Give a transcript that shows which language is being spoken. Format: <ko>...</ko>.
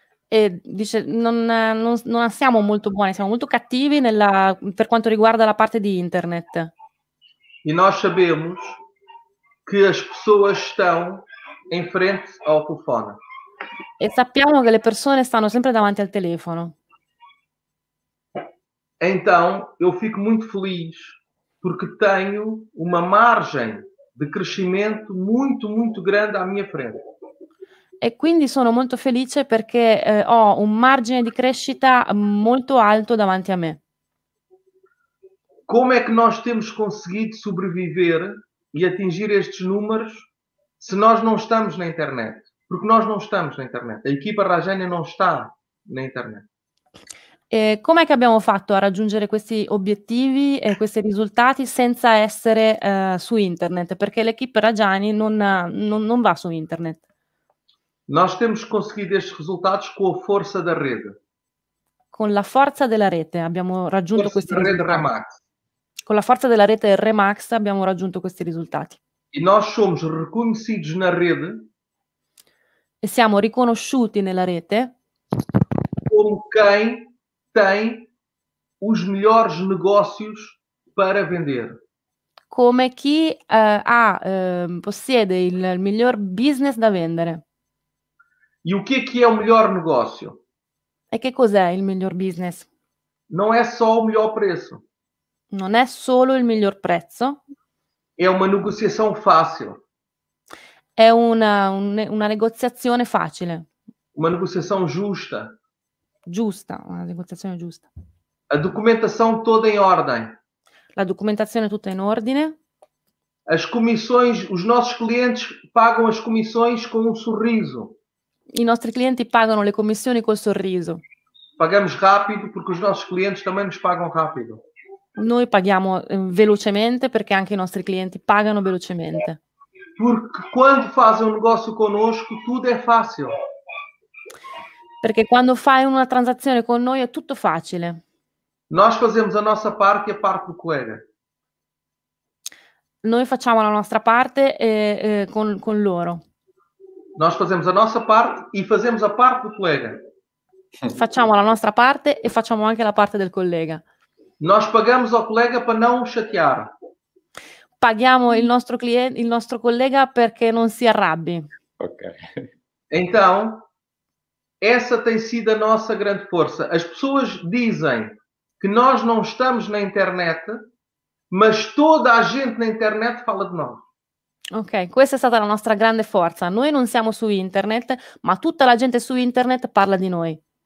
<it>E dice, non siamo molto buoni, siamo molto cattivi per quanto riguarda la parte di internet.</it> <pt>E nós sabemos que as pessoas estão em frente ao telefone.</pt> <it>E sappiamo che le persone stanno sempre davanti al telefono.</it> <pt>Então, eu fico muito feliz porque tenho uma margem de crescimento muito, muito grande à minha frente.</pt> <it>E quindi sono molto felice perché ho un margine di crescita molto alto davanti a me.</it> <pt>Como é que nós temos conseguido sobreviver e atingir estes números se nós não estamos na internet? Porque nós não estamos na internet. A equipa Rajani não está na internet.</pt> <it>Com'è che abbiamo fatto a raggiungere questi obiettivi e questi risultati senza essere su internet? Perché l'equipe Rajani non va su internet.</it> <pt>Nós temos conseguido estes risultados com a força da rede.</pt> <it>Con la forza della rete abbiamo raggiunto questi risultati. Rede Remax. Con la forza della rete Remax abbiamo raggiunto questi risultati.</it> <pt>E nós somos reconhecidos na rede.</pt> <it>E siamo riconosciuti nella rete.</it> <pt>Como quem tem os melhores negócios para vender.</pt> <it>Come chi possiede il miglior business da vendere.</it> <pt>E o que é o melhor negócio?</pt> <it>E che cos'è il miglior business? Non è solo il miglior prezzo. Non è solo il miglior prezzo. È una negociazione facile. È una negoziazione facile.</it> <pt>uma negociação justa. Justa, uma negociação justa. A documentação toda em ordem.</pt> <it>La documentazione tutta in ordine.</it> <pt>As comissões, os nossos clientes pagam as comissões com um sorriso.</pt> <it>I nostri clienti pagano le commissioni col sorriso.</it> <pt>Pagamos rápido porque os nossos clientes também nos pagam rápido.</pt> <it>Noi paghiamo velocemente perché anche i nostri clienti pagano velocemente.</it> <pt>Porque quando fazem um negócio conosco, tudo é fácil.</pt> <it>Perché quando fai una transazione con noi è tutto facile.</it> <pt>Nós fazemos a nossa parte e a parte do colega.</pt> <it>Noi facciamo la nostra parte con loro.</it> <pt>Nós fazemos a nossa parte e fazemos a parte do colega.</pt> <it>Facciamo la nostra parte e facciamo anche la parte del collega.</it> <pt>Nós pagamos ao colega para não chatear.</pt> <it>Paghiamo il nostro cliente, il nostro collega perché non si arrabbi. Ok.</it> <pt>Então, essa tem sido a nossa grande força. As pessoas dizem que nós não estamos na internet, mas toda a gente na internet fala de nós.</pt> <it>Ok, questa è stata la nostra grande forza. Noi non siamo su internet, ma tutta la gente su internet parla di noi.</it>